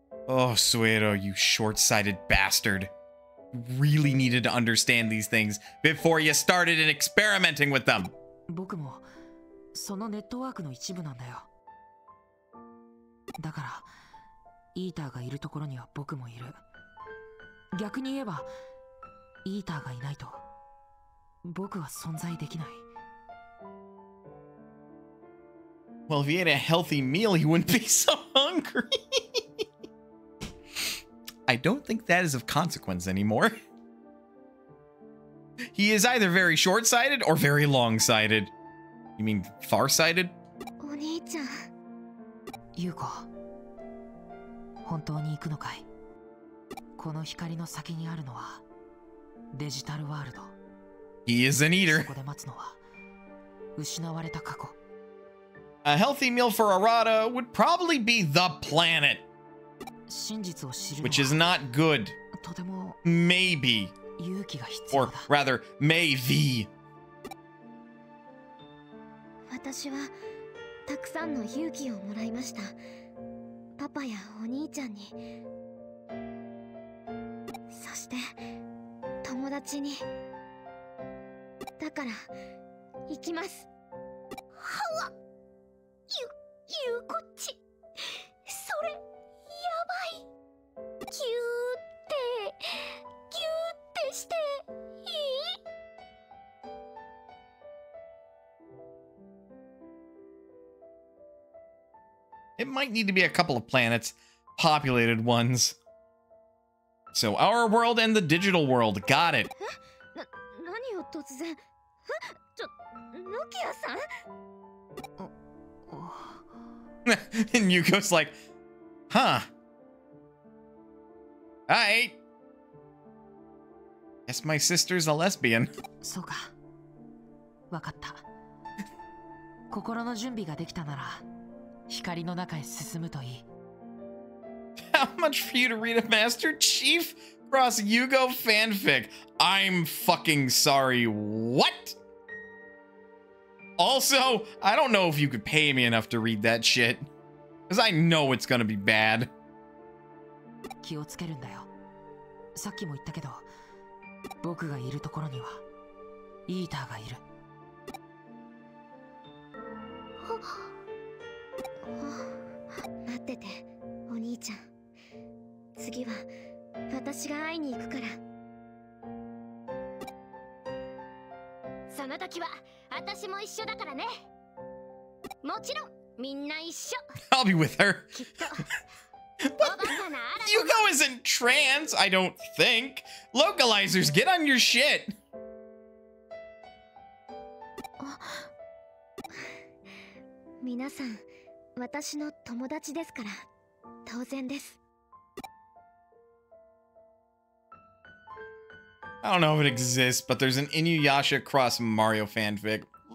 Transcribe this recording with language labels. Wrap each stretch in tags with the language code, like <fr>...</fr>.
<en>Oh, Suero, you short-sighted bastard. You really needed to understand these things before you started experimenting with them. I'm also a part of that network.</en> <ja>だからイーターがいるところには僕もいる。逆に言えばイーターがいないと僕は存在できない。</ja> <en>Well, if he ate a healthy meal, he wouldn't be so hungry. I don't think that is of consequence anymore. He is either very short-sighted or very long-sighted. You mean far-sighted?</en> <ja>お兄ちゃん、ユコ、本当に行くのかい？この光の先にあるのはデジタルワールド。</ja> <en>He is an eater.</en> <ja>そこで待つのは失われた過去。</ja> <en>A healthy meal for Arata would probably be the planet.</en> <ja>真実を知る。</ja> <en>Which is not good.</en> <ja>とても。</ja> <en>Maybe.</en> <ja>勇気が必要だ。</ja> <en>Or rather, maybe.</en> <ja>私はたくさんの勇気をもらいました。パパやお兄ちゃんに、そして友達に。だから行きます。はわっ、ゆうこっち、それやばい。ぎゅーってぎゅーってしていい？</ja> <en>It might need to be a couple of planets, populated ones. So our world and the digital world, got it. Nokia-san? And Yuko's like, huh. Hi. Guess my sister's a lesbian.</en> <ja>So, ka. Wakatta. Kokoro no junbi ga dekita nara. 光の中へ進むといい。</ja> <en>How much for you to read a Master Chief Cross Yugo fanfic? I'm fucking sorry, what? Also, I don't know if you could pay me enough to read that shit. Because I know it's gonna be bad.</en> <ja>気をつけるんだよ。さっきも言ったけど、僕がいるところにはイーターがいる。待ってて、お兄ちゃん。次は私が会いに行くから。その時は私も一緒だからね。もちろんみんな一緒。</ja> <en>I'll be with her.</en> <ja>きっと。</ja> <en>But Yugo isn't trans, I don't think. Localizers, get on your shit.</en> <ja>あ、皆さん。私の友達ですから、当然です。</ja> <en>I don't know if it exists, but there's an Inuyasha cross Mario fanfic.</en>